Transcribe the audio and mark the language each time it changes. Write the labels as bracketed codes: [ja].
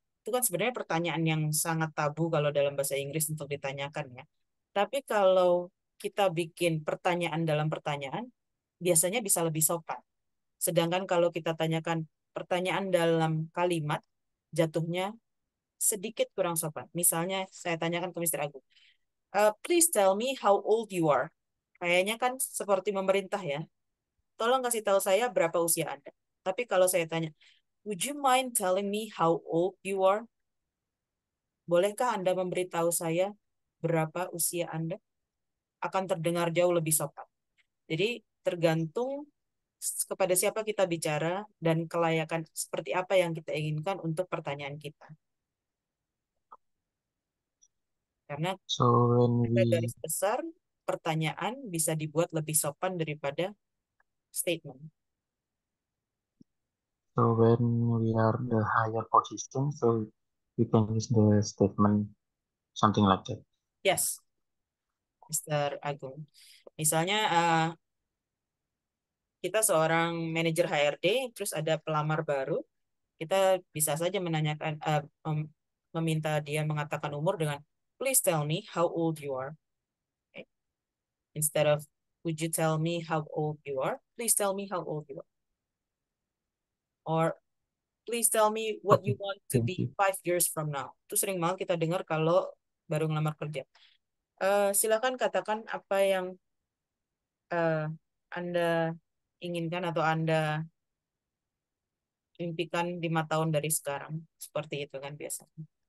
[id] Itu kan sebenarnya pertanyaan yang sangat tabu kalau dalam bahasa Inggris untuk ditanyakan ya. Tapi kalau kita bikin pertanyaan dalam pertanyaan biasanya bisa lebih sopan. Sedangkan kalau kita tanyakan pertanyaan dalam kalimat jatuhnya sedikit kurang sopan. Misalnya saya tanyakan ke Mr. [en] Agung, please tell me how old you are. [id] Kayaknya kan seperti memerintah ya. Tolong kasih tahu saya berapa usia Anda. Tapi kalau saya tanya, [en] would you mind telling me how old you are? [id] Bolehkah Anda memberitahu saya berapa usia Anda? Akan terdengar jauh lebih sopan. Jadi tergantung kepada siapa kita bicara dan kelayakan seperti apa yang kita inginkan untuk pertanyaan kita. Karena garis besar, pertanyaan bisa dibuat lebih sopan daripada statement. [en] So when we are the higher position, so we can use the statement, something like that. [id] Yes, Mr. Agung. Misalnya, kita seorang manager HRD, terus ada pelamar baru, kita bisa saja menanyakan, meminta dia mengatakan umur dengan, [en] please tell me how old you are. [id] Okay. [en] Instead of, would you tell me how old you are? Please tell me how old you are. Or, please tell me what you want to be 5 years from now. [id] Itu sering banget kita dengar kalau baru ngelamar kerja. Silakan katakan apa yang Anda inginkan atau Anda impikan 5 tahun dari sekarang, seperti itu kan biasanya.